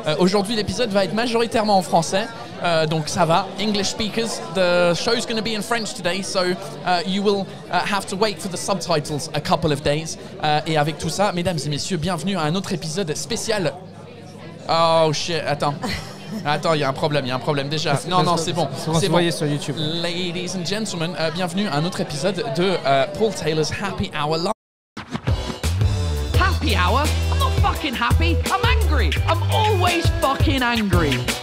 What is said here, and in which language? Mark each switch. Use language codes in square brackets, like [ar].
[fr] Aujourd'hui, l'épisode va être majoritairement en français. Donc ça va, [en] English speakers, the show's going to be in French today, so you will have to wait for the subtitles a couple of days. [fr] Et avec tout ça, mesdames et messieurs, bienvenue à un autre épisode spécial. Oh shit, attends. Attends, il y a un problème déjà. Non, c'est bon. Vous voyez sur YouTube. [en] Ladies and gentlemen, [fr] bienvenue à un autre épisode de Paul Taylor's Happy Hour Live. [en] Happy Hour? I'm not fucking happy, I'm angry. I'm always fucking angry.